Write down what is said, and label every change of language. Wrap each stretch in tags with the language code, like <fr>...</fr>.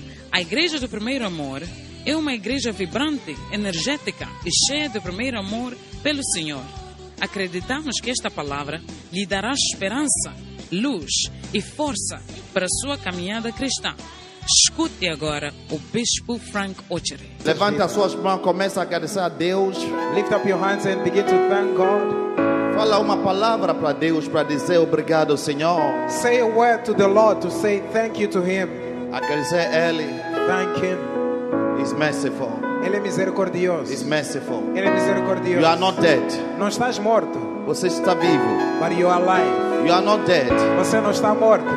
<pt>A Igreja do Primeiro Amor é uma igreja vibrante, energética e cheia do primeiro amor pelo Senhor. Acreditamos que esta palavra lhe dará esperança, luz e força para a sua caminhada cristã. Escute agora o Bispo Frank Ochery. Levanta as suas mãos, comece a agradecer a Deus.</pt> <en>Lift up your hands and begin to thank God.</en> <pt>Fala uma palavra para Deus para dizer obrigado, Senhor.</pt> <en>Say a word to the Lord to say thank you to Him.</en> <pt>Agradecer a Ele.</pt> <en>Thank Him. He's merciful.</en> <pt>Ele é misericordioso.</pt> <en>He's merciful.</en> <pt>Ele é misericordioso.</pt> <en>You are not dead.</en> <pt>Não estás morto. Você está vivo.</pt> <en>But you are alive. You are not dead.</en> <pt>Você não está morto.</pt>